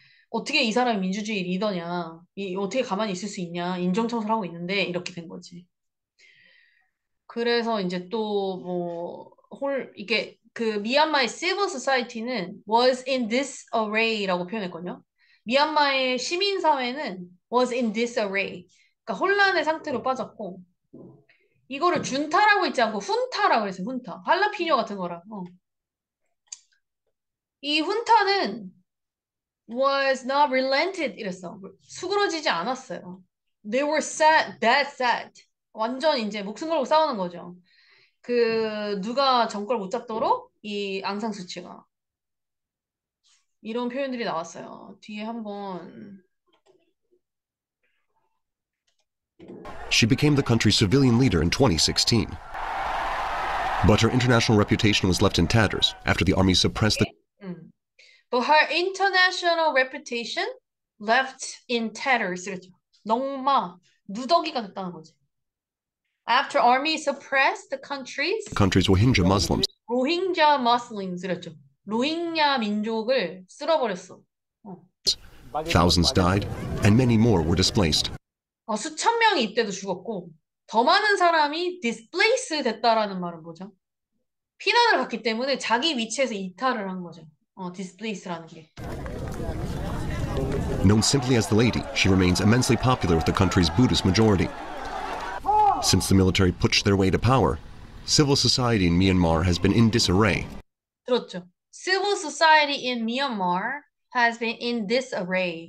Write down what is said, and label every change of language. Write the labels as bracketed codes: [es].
[ko] 어떻게 이 사람이 민주주의 리더냐? 어떻게 가만히 있을 수 있냐? 인종청소를 하고 있는데 이렇게 된 거지. 그래서 이제 또 뭐 이게 그 미얀마의 civil society는 [en] was in disarray [ko] 라고 표현했거든요. 미얀마의 시민사회는 [en] was in disarray. [ko] 그러니까 혼란의 상태로 빠졌고 이거를 준타라고 있지 않고 훈타라고 했어요. 훈타. 할라피뇨 같은 거랑. 이 훈타는 [en] was not relented [ko] 이랬어. 수그러지지 않았어요. [en] They were sad, that sad. [ko] 완전 이제 목숨 걸고 싸우는 거죠. 그 누가 정권을 못 잡도록 이 앙상 수치가 이런 표현들이 나왔어요. 뒤에 한번 [en] She became the country's civilian leader in 2016. But her international reputation was left in tatters after the army suppressed the But her international reputation left in tatters. [ko] 그렇죠. 넝마, 누더기가 됐다는 거지. [en] After army suppressed the country's Rohingya Muslims. Rohingya Muslims. 그렇죠. [ko] 로힝야 민족을 쓸어버렸어. [en] Thousands died and many more were displaced. [ko] 수천 명이 이때도 죽었고 더 많은 사람이 displaced 됐다라는 말은 뭐죠? 피난을 갔기 때문에 자기 위치에서 이탈을 한 거죠. displaced라는 게. [en] Known simply as the lady, she remains immensely popular with the country's Buddhist majority. Since the military pushed their way to power, civil society in Myanmar has been in disarray. [ko] 그렇죠. [en] Civil society in Myanmar has been in disarray.